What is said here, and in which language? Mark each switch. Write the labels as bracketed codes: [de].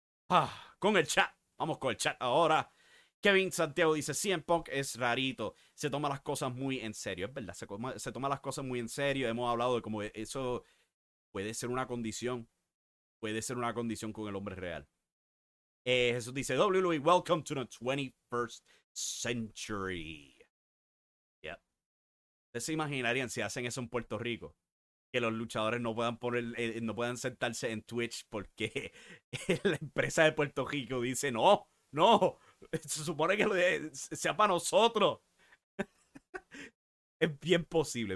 [es] Ah, con el chat. Vamos con el chat ahora. Kevin Santiago dice, CM Punk es rarito. Se toma las cosas muy en serio. Es verdad, se toma las cosas muy en serio. Hemos hablado de cómo eso puede ser una condición. Puede ser una condición con el hombre real. Jesús dice, [en] WWE, welcome to the 21st century. Yep. [es] ¿Ustedes se imaginarían si hacen eso en Puerto Rico? Que los luchadores no puedan no puedan sentarse en Twitch porque la empresa de Puerto Rico dice, no, no, se supone que sea para nosotros. Es bien posible.